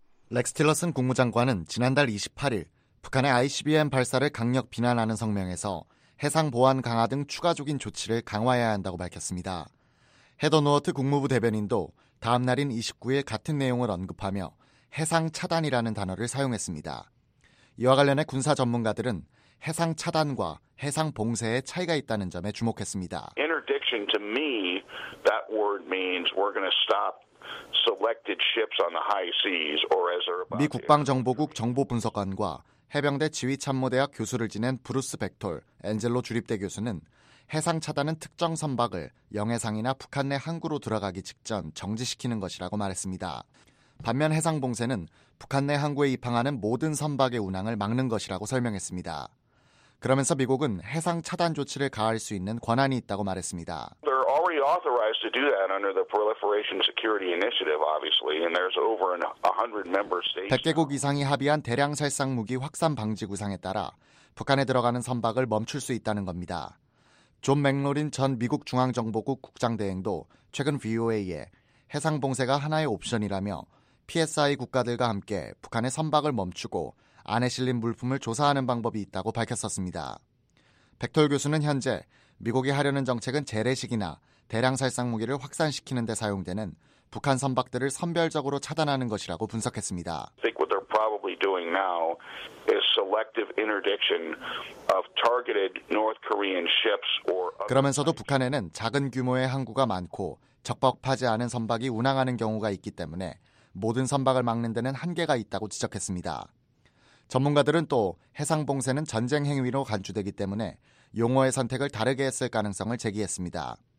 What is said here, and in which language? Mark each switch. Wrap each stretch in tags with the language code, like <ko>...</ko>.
<ko>렉스 틸러슨 국무장관은 지난달 28일 북한의 ICBM 발사를 강력 비난하는 성명에서 해상 보안 강화 등 추가적인 조치를 강화해야 한다고 밝혔습니다. 헤더 노어트 국무부 대변인도 다음 날인 29일 같은 내용을 언급하며 해상 차단이라는 단어를 사용했습니다. 이와 관련해 군사 전문가들은 해상 차단과 해상 봉쇄의 차이가 있다는 점에 주목했습니다.</ko> <en>Interdiction to me, that word means we're going to stop selected ships on the high seas or as they're about.</en> <ko>미 국방정보국 정보분석관과 해병대 지휘참모대학 교수를 지낸 브루스 백톨, 엔젤로 주립대 교수는 해상 차단은 특정 선박을 영해상이나 북한 내 항구로 들어가기 직전 정지시키는 것이라고 말했습니다. 반면 해상 봉쇄는 북한 내 항구에 입항하는 모든 선박의 운항을 막는 것이라고 설명했습니다. 그러면서 미국은 해상 차단 조치를 가할 수 있는 권한이 있다고 말했습니다.</ko> <en>They're already authorized to do that under the Proliferation Security Initiative, obviously, and there's over 100 member states.</en> <ko>100개국 이상이 합의한 대량 살상 무기 확산 방지 구상에 따라 북한에 들어가는 선박을 멈출 수 있다는 겁니다. 존 맥로린 전 미국 중앙정보국 국장대행도 최근 VOA에 해상 봉쇄가 하나의 옵션이라며 PSI 국가들과 함께 북한의 선박을 멈추고 안에 실린 물품을 조사하는 방법이 있다고 밝혔었습니다. 백톨 교수는 현재 미국이 하려는 정책은 재래식이나 대량 살상 무기를 확산시키는 데 사용되는 북한 선박들을 선별적으로 차단하는 것이라고 분석했습니다.</ko> <en>I think what they're probably doing now is selective interdiction of targeted North Korean ships or.</en> <ko>그러면서도 북한에는 작은 규모의 항구가 많고 적법하지 않은 선박이 운항하는 경우가 있기 때문에 모든 선박을 막는 데는 한계가 있다고 지적했습니다. 전문가들은 또 해상 봉쇄는 전쟁 행위로 간주되기 때문에 용어의 선택을 다르게 했을 가능성을 제기했습니다.</ko>